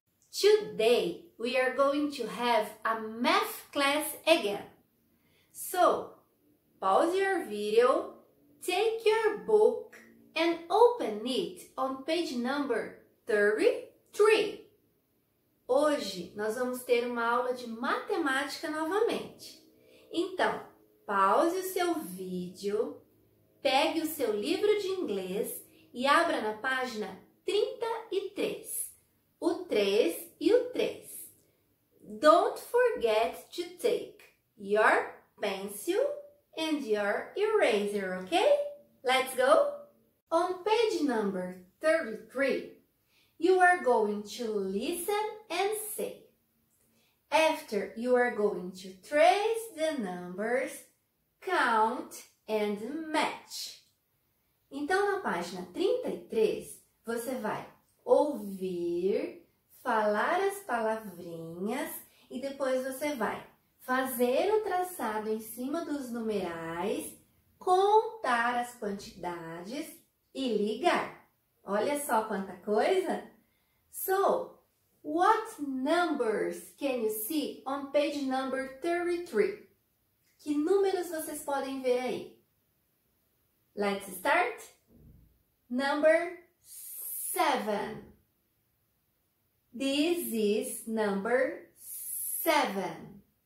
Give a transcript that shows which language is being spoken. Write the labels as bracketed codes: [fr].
[en] Today, we are going to have a math class again. So, pause your video, take your book and open it on page number 33. [pt] Hoje, nós vamos ter uma aula de matemática novamente. Então, pause o seu vídeo, pegue o seu livro de inglês e abra na página 33. O 3 e o 3. [en] Don't forget to take your pencil and your eraser, ok? Let's go! On page number 33, you are going to listen and say. After, you are going to trace the numbers, count and match. [pt] Então, na página 33, você vai ouvir, falar as palavrinhas e depois você vai fazer o traçado em cima dos numerais, contar as quantidades e ligar. Olha só quanta coisa! [en] So, what numbers can you see on page number 33? [pt] Que números vocês podem ver aí? [en] Let's start. Number 7. This is number 7.